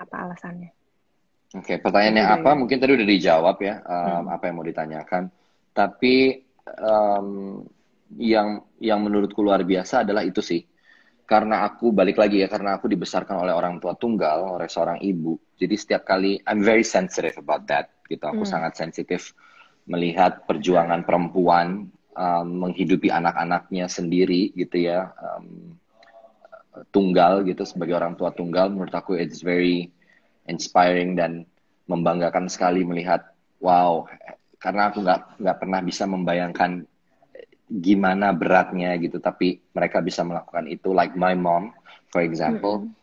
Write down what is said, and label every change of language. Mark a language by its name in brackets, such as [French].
[Indonesian] Apa alasannya? Oke, pertanyaannya apa? Ya. Mungkin tadi udah dijawab ya, apa yang mau ditanyakan. Tapi yang menurutku luar biasa adalah itu sih. Karena aku, balik lagi ya, karena aku dibesarkan oleh orang tua tunggal, oleh seorang ibu. Jadi setiap kali, [English] I'm very sensitive about that. [Indonesian] Gitu. Aku sangat sensitif melihat perjuangan perempuan menghidupi anak-anaknya sendiri, gitu ya. Tunggal, gitu, sebagai orang tua tunggal. Menurut aku [English] it's very inspiring [Indonesian] dan membanggakan sekali melihat, wow, karena aku nggak pernah bisa membayangkan gimana beratnya gitu, tapi mereka bisa melakukan itu, [English] like my mom for example.